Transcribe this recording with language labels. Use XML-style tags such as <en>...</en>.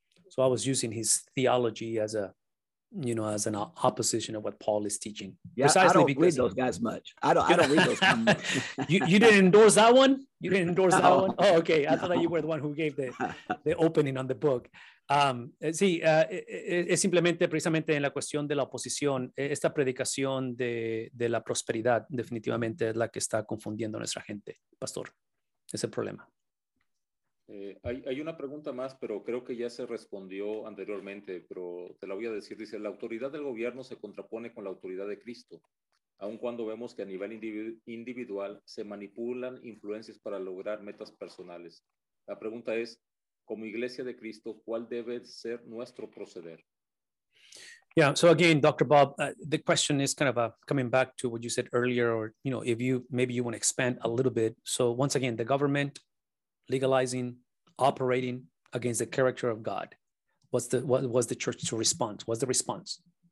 <en>So I was using his theology as a, you know, as an opposition of what Paul is teaching. Yeah, I don't read those guys much. I don't read those guys much. You didn't endorse that one? You didn't endorse that one? Oh, okay. I thought that you were the one who gave the opening on the book.</en> <es>Es simplemente, precisamente en la cuestión de la oposición, esta predicación de la prosperidad definitivamente es la que está confundiendo a nuestra gente, pastor. Es el problema. Hay una pregunta más, pero creo que ya se respondió anteriormente, pero te la voy a decir. Dice, la autoridad del gobierno se contrapone con la autoridad de Cristo, aun cuando vemos que a nivel individual se manipulan influencias para lograr metas personales. La pregunta es, como iglesia de Cristo, ¿cuál debe ser nuestro proceder?</es> <en>Yeah, so again, Dr. Bob, the question is kind of coming back to what you said earlier, or, you know, if you, maybe you want to expand a little bit. So once again, the government legalizing, operating against the character of God. What was the church's response? What's the response?</en>